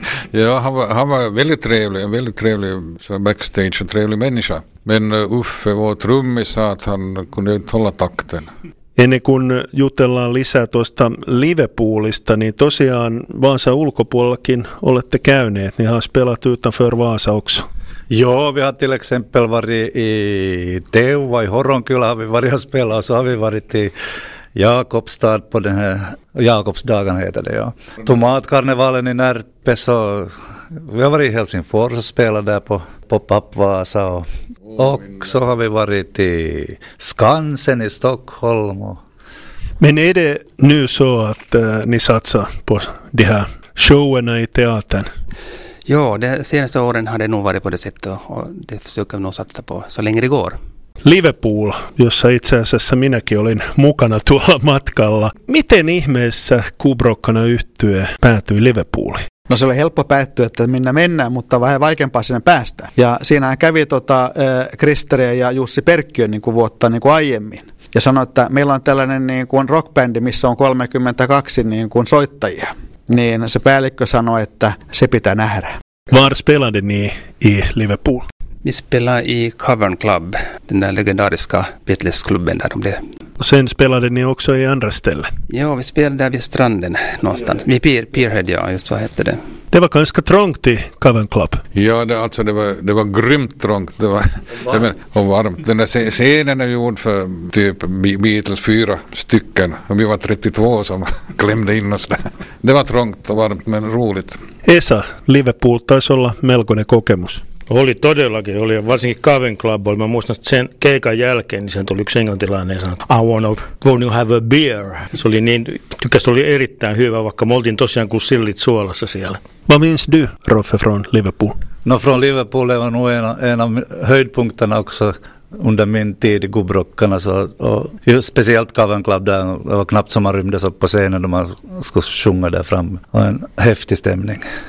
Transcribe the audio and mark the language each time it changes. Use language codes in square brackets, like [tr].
[sv] Ja, han var väldigt trevlig, så backstage och trevlig människa. Men Uffe, vår trummis, sa att han kunde inte hålla takten. [fi] Ennen kuin jutellaan lisää tuosta Liverpoolista, niin tosiaan Vaasan ulkopuolellakin olette käyneet, niin [sv] has pelat utanför Vaasa också. Joo, vi har till exempel varit i Teuva i Horonkylä, har vi varit och spelat, så har vi varit i Jakobstad på den här Jakobsdagen heter det, ja. Tomatkarnevalen i Närpes och vi har varit i Helsingfors och spelat där på Pappvasa och så har vi varit i Skansen i Stockholm. Men är det nu så att ni satsar på de här showerna i teatern? Ja, de senaste åren har det nog varit på det sättet och det försöker vi nog satsa på så länge det går. [fi] Liverpool, jossa itse asiassa minäkin olin mukana tuolla matkalla. Miten ihmeessä Kubrockarna yhtye päätyi Liverpooliin? No se oli helppo päättyä, että minne mennään, mutta vähän vaikeampaa sinne päästä. Ja siinähän kävi Kristeri ja Jussi Perkkiö niin kuin vuotta niin kuin aiemmin. Ja sanoi, että meillä on tällainen niin kuin rockbändi, missä on 32 niin kuin soittajia. Niin se päällikkö sanoi, että se pitää nähdä. [sv] Var spelade ni i Liverpool? Vi spelade i Cavern Club, den där legendariska Beatles-klubben där de blev. Och sen spelade ni också i andra ställen? Ja, vi spelade där vid stranden någonstans. Vid Pierhead, ja, just så hette det. Det var ganska trångt i Cavern Club. Ja, det var grymt trångt. Det var varmt. Den där scenen är gjord för typ Beatles 4 stycken. Och vi var 32 som klämde in oss där. Det var trångt och varmt, men roligt. [fi] Esa, Liverpool taisi olla melkoinen kokemus. Oli todellakin, oli varsinkin Cavern Club. Mä muistan, että sen keikan jälkeen niin sen tuli yksi englantilainen ja sanoi, että [en] I wanna, won't you have a beer? [fi] Se oli niin, tykkästä oli erittäin hyvä, vaikka me oltiin tosiaan kuin sillit suolassa siellä. [sv] Vad minns du, Roffe, från Liverpool? No, från Liverpool är nog en av höjdpunkterna också under min tid i Gubbrockarna. Speciellt Cavern Club där, det var knappt som man rymdes upp på scenen när man skulle sjunga där fram. En häftig stämning.